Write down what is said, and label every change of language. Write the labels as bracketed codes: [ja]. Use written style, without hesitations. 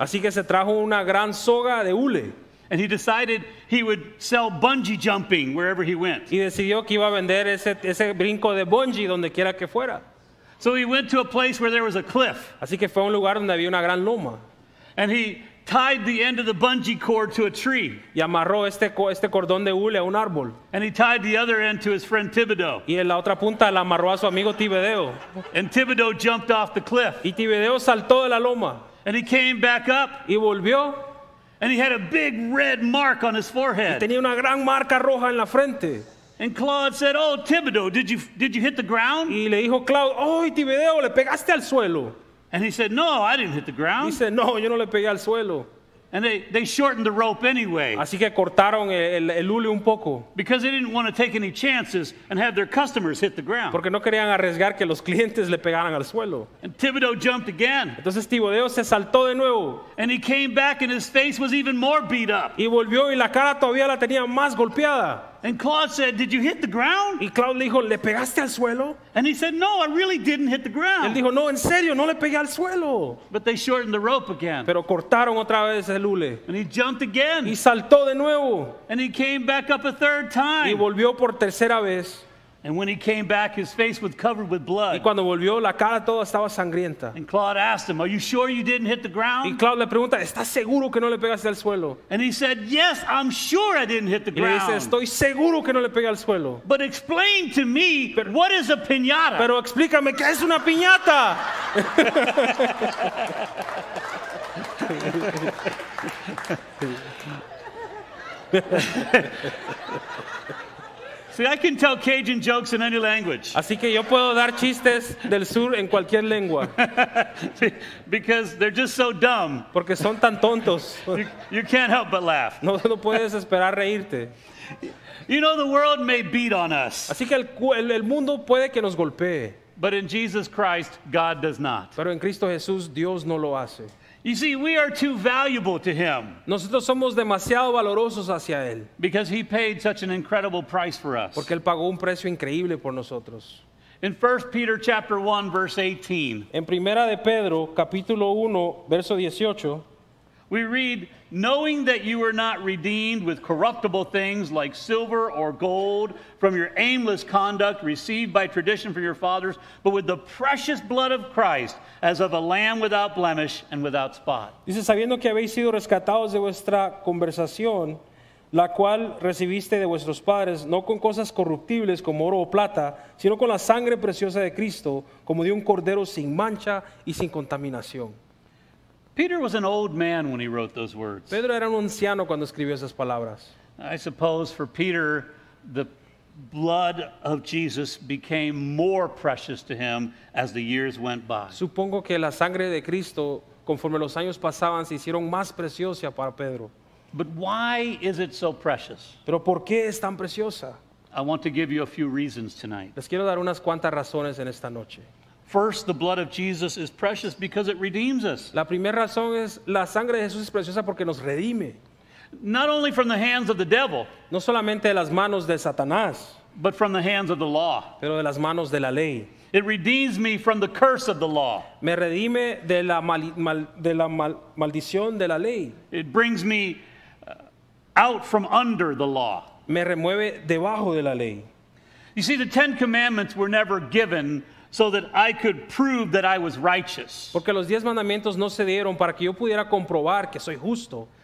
[es] Así que se trajo una gran soga de hule. [en] And he decided he would sell bungee jumping wherever he went. [es] Y decidió que iba a vender ese brinco de bungee donde quiera que fuera. [en] So he went to a place where there was a cliff. [es] Así que fue a un lugar donde había una gran loma. [en] And he tied the end of the bungee cord to a tree. [es] Y amarró este cordón de hule a un árbol. [en] And he tied the other end to his friend Thibodeau. [es] Y en la otra punta la amarró a su amigo Thibodeau. [en] And Thibodeau jumped off the cliff. [es] Y Thibodeau saltó de la loma. [en] And he came back up. [es] Y volvió. [en] And he had a big red mark on his forehead. [es] Y tenía una gran marca roja en la frente. [en] And Claude said, "Oh, Thibodeau, did you hit the ground?" [es] Y le dijo Claude, "Oh, Thibodeau, le pegaste al suelo." [en] And he said, "No, I didn't hit the ground." [es] Y dice, "No, yo no le pegué al suelo." [en] And they shortened the rope anyway. [es] Así que cortaron el hule un poco. [en] Because they didn't want to take any chances and have their customers hit the ground. [es] Porque no querían arriesgar que los clientes le pegaran al suelo. [en] And Thibodeau jumped again. [es] Entonces Thibodeau se saltó de nuevo. [en] And he came back and his face was even more beat up. [es] Y volvió y la cara todavía la tenía más golpeada. [en] And Claude said, "Did you hit the ground?" [es] Y Claude le dijo, "¿Le pegaste al suelo?" [en] And he said, "No, I really didn't hit the ground." [es] Él dijo, "No, en serio, no le pegué al suelo." [en] But they shortened the rope again. [es] Pero cortaron otra vez el hule. [en] And he jumped again. [es] Y saltó de nuevo. [en] And he came back up a third time. [es] Y volvió por tercera vez. [en] And when he came back, his face was covered with blood. [es] Y cuando volvió, la cara toda estaba sangrienta. [en] And Claude asked him, "Are you sure you didn't hit the ground?" [es] Y Claude le pregunta, "¿Estás seguro que no le pegaste al suelo?" [en] And he said, "Yes, I'm sure I didn't hit the ground." [es] Y dice, "Estoy seguro que no le pegué al suelo." [en] "But explain to me, what is a piñata?" [es] Pero explícame qué es una piñata. [en] See, I can tell Cajun jokes in any language. [es] Así que yo puedo dar chistes del sur en cualquier lengua. [en] Because they're just so dumb. [es] Porque son tan tontos. [en] You can't help but laugh. [es] No puedes esperar reírte. [en] You know, the world may beat on us. [es] Así que el mundo puede que nos golpee. [en] But in Jesus Christ, God does not. [es] Pero en Cristo Jesús, Dios no lo hace. [en] You see, we are too valuable to him. [es] Nosotros somos demasiado valorosos hacia él. [en] Because he paid such an incredible price for us. [es] Porque él pagó un precio increíble por nosotros. [en] In 1 Peter chapter 1 verse 18. [es] En Primera de Pedro capítulo 1 verso 18. [en] We read, "Knowing that you were not redeemed with corruptible things like silver or gold from your aimless conduct received by tradition from your fathers, but with the precious blood of Christ, as of a lamb without blemish and without spot." [es] Dice, "Sabiendo que habéis sido rescatados de vuestra conversación, la cual recibiste de vuestros padres, no con cosas corruptibles como oro o plata, sino con la sangre preciosa de Cristo, como de un cordero sin mancha y sin contaminación." [en] Peter was an old man when he wrote those words. [es] Pedro era un anciano cuando escribió esas palabras. [en] I suppose for Peter, the blood of Jesus became more precious to him as the years went by. [es] Supongo que la sangre de Cristo, conforme los años pasaban, se hicieron más preciosa para Pedro. [en] But why is it so precious? [es] Pero ¿por qué es tan preciosa? [en] I want to give you a few reasons tonight. [es] Les quiero dar unas cuantas razones en esta noche. [en] First, the blood of Jesus is precious because it redeems us. [es] La primera razón es la sangre de Jesús es preciosa porque nos redime. [en] Not only from the hands of the devil, [es] no solamente de las manos de Satanás, [en] but from the hands of the law, [es] pero de las manos de la ley. [en] It redeems me from the curse of the law. [es] Me redime de la maldición de la ley. [en] It brings me out from under the law. [es] Me remueve debajo de la ley. [en] You see, the Ten Commandments were never given so that I could prove that I was righteous. [es] Porque los diez mandamientos no se dieron para que yo pudiera comprobar que soy justo.